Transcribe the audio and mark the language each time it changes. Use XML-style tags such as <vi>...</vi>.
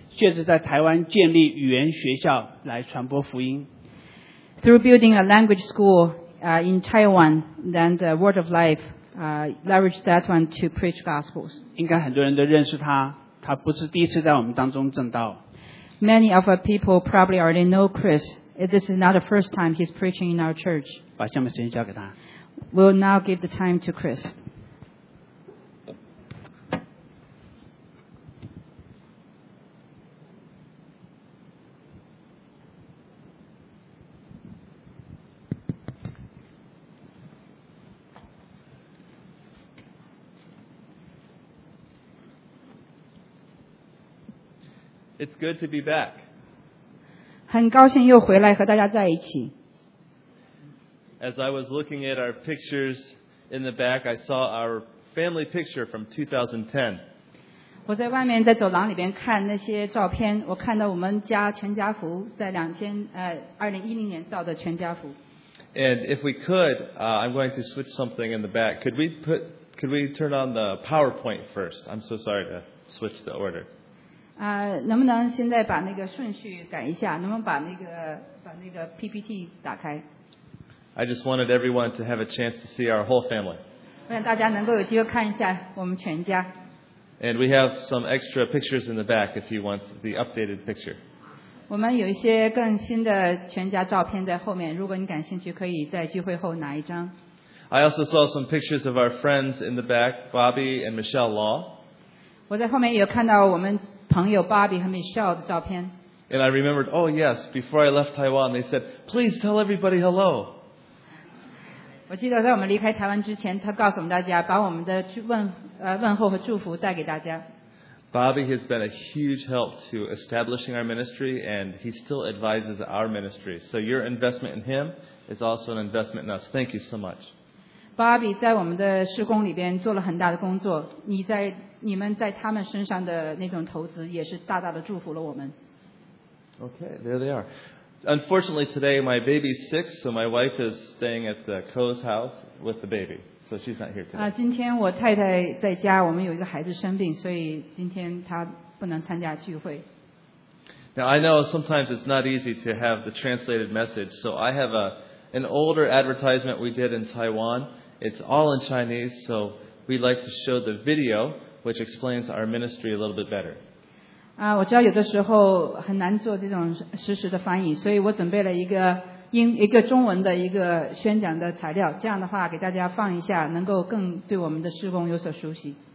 <zh>借着在台湾建立语言学校来传播福音。</zh> <en>Through building a language school, in Taiwan, then the Word of Life, leveraged that one to preach gospels.</en> <zh>应该很多人都认识他，他不是第一次在我们当中证道。</zh> <en>Many of our people probably already know Chris. This is not the first time he's preaching in our church.</en> <zh>把下面时间交给他。</zh> <en>We'll now give the time to Chris. It's good to be back.</en> <zh>很高兴又回来和大家在一起。</zh> <en>As I was looking at our pictures in the back, I saw our family picture from 2010.</en> <zh>我在外面在走廊里边看那些照片，我看到我们家全家福在2010年照的全家福。</zh> <en>And if we could, I'm going to switch something in the back. Could we turn on the PowerPoint first? I'm so sorry to switch the order.</en> <zh>能不能现在把那个顺序改一下？能不能把那个 PPT 打开</zh> <en>？I just wanted everyone to have a chance to see our whole family.</en> <zh>我想大家能够有机会看一下我们全家。</zh> <en>And we have some extra pictures in the back if you want the updated picture.</en> <zh>我们有一些更新的全家照片在后面，如果你感兴趣，可以在聚会后拿一张。</zh> <en>I also saw some pictures of our friends in the back, Bobby and Michelle Law.</en> <zh>我在后面也有看到我们。朋友 Bobby 和 Michelle 的照片。</zh> <en>And I remembered, oh yes, before I left Taiwan, they said, please tell everybody hello.</en> <zh>我记得在我们离开台湾之前，他告诉我们大家，把我们的问候和祝福带给大家。</zh> <en>Bobby has been a huge help to establishing our ministry, and he still advises our ministry. So your investment in him is also an investment in us. Thank you so much.</en> <zh>Bobby 在我们的事工里边做了很大的工作，你们在他们身上的那种投资也是大大的祝福了我们。</zh> <en>Okay, there they are. Unfortunately, today my baby's sick, so my wife is staying at the Coe's house with the baby, so she's not here today.</en> <zh>今天我太太在家，我们有一个孩子生病，所以今天她不能参加聚会。</zh> <en>Now I know sometimes it's not easy to have the translated message, so I have an older advertisement we did in Taiwan. It's all in Chinese, so we'd like to show the video. Which explains our ministry a little bit better.</en> <zh>我知道有的时候很难做这种实时的翻译，所以我准备了一个中文的一个宣讲的材料。这样的话，给大家放一下，能够更对我们的事工有所熟悉。</zh>